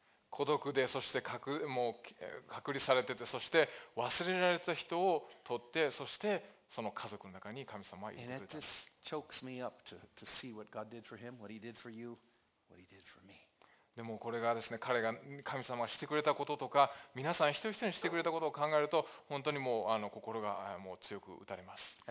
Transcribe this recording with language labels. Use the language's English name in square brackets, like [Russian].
[Japanese] 孤独で、そして隔離されてて、そして忘れられた人を取って、そしてその家族の中に神様は入れてくれたんです。 [English] And it just chokes me up to see what God did for him, what He did for you, what He did for me. [Japanese] でもこれがですね、彼が神様がしてくれたこととか、皆さん一人一人にしてくれたことを考えると、本当にもう心がもう強く打たれます。